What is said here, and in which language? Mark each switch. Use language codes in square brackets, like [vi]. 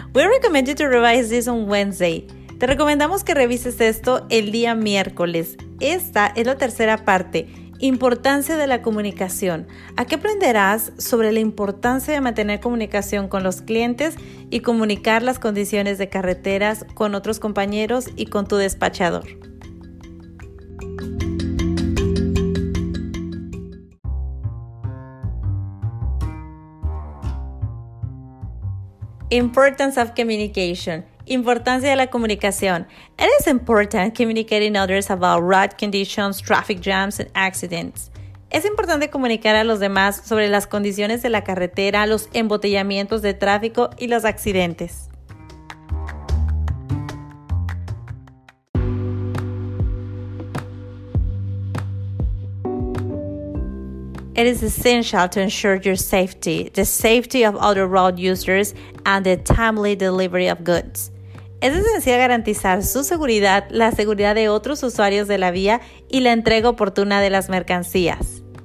[en] We recommend you to revise this on Wednesday. [es] Te recomendamos que revises esto el día miércoles. Esta es la tercera parte, importancia de la comunicación. Aquí aprenderás sobre la importancia de mantener comunicación con los clientes y comunicar las condiciones de carreteras con otros compañeros y con tu despachador. [en] Importance of communication. [es] Importancia de la comunicación. [en] It is important communicating others about road conditions, traffic jams, and accidents. [es] Es importante comunicar a los demás sobre las condiciones de la carretera, los embotellamientos de tráfico y los accidentes. [en] it is essential to ensure your safety, the safety of other road users, and the timely delivery of goods. [es] Es esencial garantizar su seguridad, la seguridad de otros usuarios de la vía y la entrega oportuna de las mercancías.